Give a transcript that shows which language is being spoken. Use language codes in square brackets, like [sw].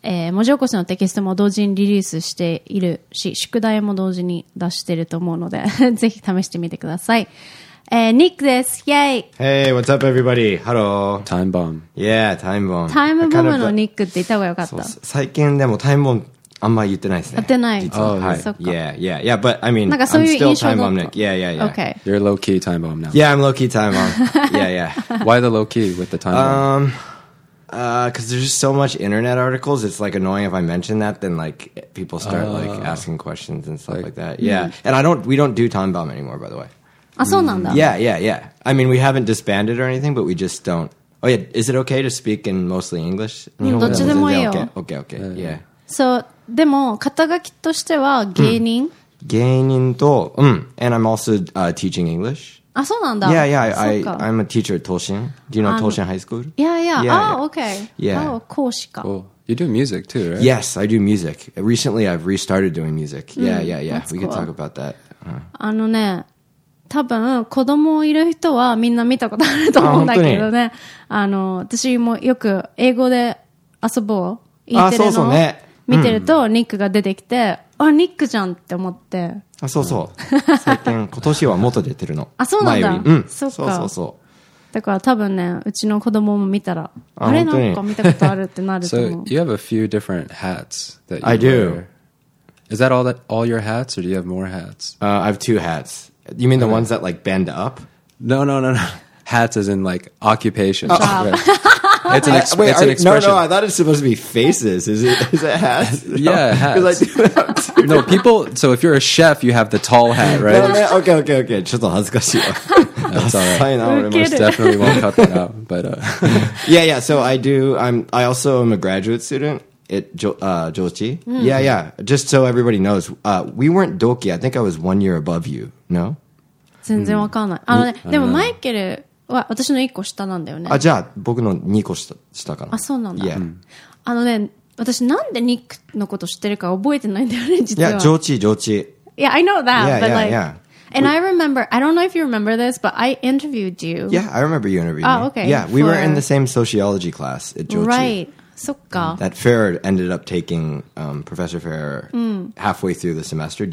[ja] 文字起こしのテキストも同時にリリースしているし、宿題も同時に出していると思うのでぜひ試してみてください。ニックです。イエイ。 [en] Hey, what's up everybody? Hello. Time bomb. Yeah, time bomb. [ja] Time bomb のニックって言った方がよかった。最近でもタイムボムあんま言ってないですね。言ってない。実は。Oh, はい。そっか。 [en] Yeah, yeah, yeah, but I mean, I'm still time bomb Nick. Yeah, yeah, yeah. Okay. You're low key time bomb now. Yeah, I'm low key time bomb. Yeah, yeah. Why the low key with the time bomb? Because there's just so much internet articles. It's like annoying if I mention that, then like people start like asking questions and stuff like that. Yeah. Mm-hmm. And we don't do time bomb anymore, by the way. [ja] あ、そうなんだ。 [en] Yeah, yeah, yeah. I mean, we haven't disbanded or anything, but we just don't. Oh, yeah. Is it okay to speak in mostly English? [ja] どっちでもいいよ。 [en] Okay, okay. Yeah. [ja] So,でも肩書きとしては芸人、うん、芸人と、うん、 [en] and I'm also、teaching English。 [ja] あ、そうなんだ。 [en] Yeah, yeah, I'm a teacher at 東進。Do you know 東進 High School? Yeah, yeah, yeah, yeah. Ah, okay. Yeah. [ja] Ah, 講師か。 [en] You do music too, right? Yes, I do music. Recently, I've restarted doing music. Yeah, yeah, yeah. We could talk about that. [ja] あのね、多分子供いる人はみんな見たことあると思うんだけどね。あ、本当に？あの、私もよく英語で遊ぼう、イーテレの。 あ、そうそうね。見てると、うん、ニックが出てきて、あ、ニックじゃんって思って。あ、そうそう。最近、今年は元出てるの。あ、そうなんだ。うん、そうか。そうそうそう。だから多分ね、うちの子供も見たら、あれなんか見たことあるってなると思う。 [en] So, you have a few different hats that you I do. Is that all your hats or do you have more hats? I have two hats. You mean the ones that like bend up? No, no, no, no. Hats as in like occupation. Job. Right. It's an expression. No, I thought it's supposed to be faces. Is it hats? No. Yeah, hats. I do no, people. So if you're a chef, you have the tall hat, right? No, no, okay, okay, okay. Just a little [ja] 恥ずかしいよ. [en] That's all right. Fine, I most definitely won't cut that out. But yeah, yeah. So I do. I also am a graduate student at Jochi. Mm. Yeah, yeah. Just so everybody knows, we weren't doki. I think I was 1 year above you. No. [ja] 全然わかんない。あのね、でもマイケル。わ、私の1個下なんだよね。あ、じゃあ、僕の2個下かな。あ、そうなんだ。 [en] Yeah. [ja] あのね、私なんでニックのこと知ってるか覚えてないんだよね、実は。いや、上智、上智。 [en] Yeah, I know that, but like, and I remember, I don't know if you remember this, but I interviewed you. Yeah, I remember you interviewed me. Ah, okay. Yeah, we were in the same sociology class at 上智。 [ja] Right. そっか。 [en] That Fair ended up taking Professor Fair halfway through the semester.